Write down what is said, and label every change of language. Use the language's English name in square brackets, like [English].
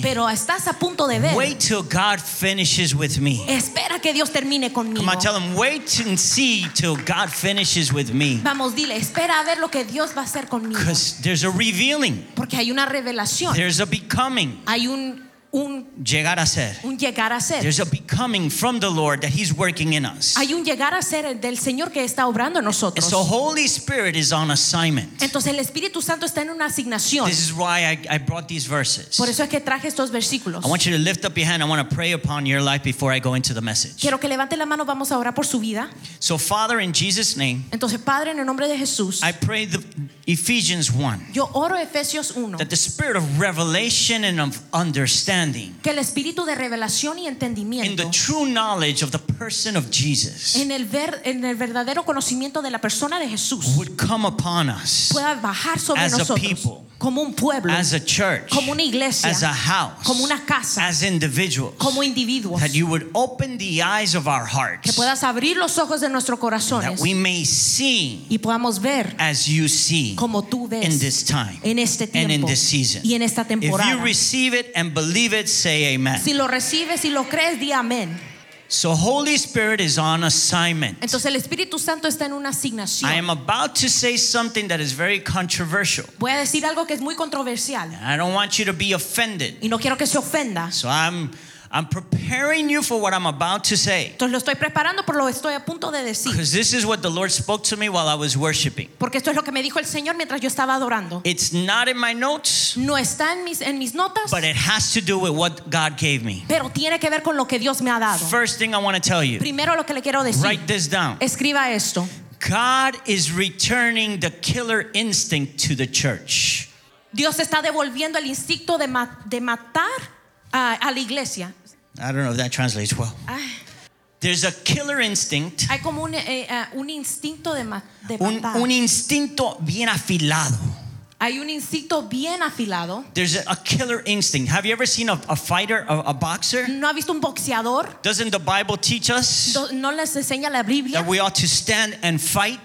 [Spanish] Pero estás a punto de ver. [English] Wait till God finishes with me. [Spanish] Espera que Dios termine conmigo. [English] Come on, tell them wait and see till God finishes with me. [Spanish] Vamos, dile. Espera a ver lo que Dios va a hacer conmigo. [English] Because there's a revealing. [Spanish] Porque hay una revelación. [English] There's a becoming. [Spanish] Hay un llegar a ser. Un llegar a ser. [English] There's a becoming from the Lord that He's working in us. [Spanish] Hay un llegar a ser del Señor que está obrando en nosotros. [English] And so Holy Spirit is on assignment. [Spanish] Entonces el Espíritu Santo está en una asignación. [English] This is why I brought these verses. [Spanish] Por eso es que traje estos versículos. [English] I want you to lift up your hand. I want to pray upon your life before I go into the message. [Spanish] Quiero que levante la mano. Vamos a orar por su vida. [English] So Father, in Jesus' name. [Spanish] Entonces Padre, en el nombre de Jesús. [English] I pray the Ephesians 1. [Spanish] Yo oro Efesios 1. [English] That the Spirit of revelation and of understanding. [Spanish] Que el espíritu de revelación y entendimiento. [English] In the true knowledge of the person of Jesus. [Spanish] En el verdadero conocimiento de la persona de Jesús. [English] Would come upon us. [Spanish] Pueda bajar sobre [English] as [Spanish] nosotros. [English] As a people. [Spanish] Como un pueblo. [English] As a church. [Spanish] Como una iglesia. [English] As a house. [Spanish] Como una casa. [English] As individuals. [Spanish] Como individuos. [English] That you would open the eyes of our hearts. [Spanish] Que puedas abrir los ojos de nuestros corazones. [English] That we may see. [Spanish] Y podamos ver. [English] As you see. [Spanish] Como tú ves. [English] In this time. [Spanish] En este tiempo. [English] And in this season. [Spanish] Y en esta temporada. [English] If you receive it and believe it, say amen. [Spanish] Si lo recibes y lo crees, di amén. [English] So Holy Spirit is on assignment. [Spanish] Entonces el Espíritu Santo está en una asignación. [English] I am about to say something that is very controversial. [Spanish] Voy a decir algo que es muy controversial. [English] I don't want you to be offended. [Spanish] Y no quiero que se ofenda. [English] So I'm preparing you for what I'm about to say. [Spanish] Entonces lo estoy preparando por lo que estoy a punto de decir. [English] Because this is what the Lord spoke to me while I was worshiping. [Spanish] Porque esto es lo que me dijo el Señor mientras yo estaba adorando. [English] It's not in my notes. [Spanish] No está en mis notas. [English] But it has to do with what God gave me. [Spanish] Pero tiene que ver con lo que Dios me ha dado. [English] First thing I want to tell you. [Spanish] Primero lo que le quiero decir. [English] Write this down. [Spanish] Escriba esto. [English] God is returning the killer instinct to the church. [Spanish] Dios está devolviendo el instinto de matar a la iglesia. [English] I don't know if that translates well. There's a killer instinct. [Spanish] Hay como un instinto de matar. Un instinto bien afilado. Hay un instinto bien afilado. [English] There's a killer instinct. Have you ever seen a fighter, a boxer? [Spanish] ¿No ha visto un boxeador? [English] Doesn't the Bible teach us [Spanish] no les enseña la Biblia [English] that we ought to stand and fight?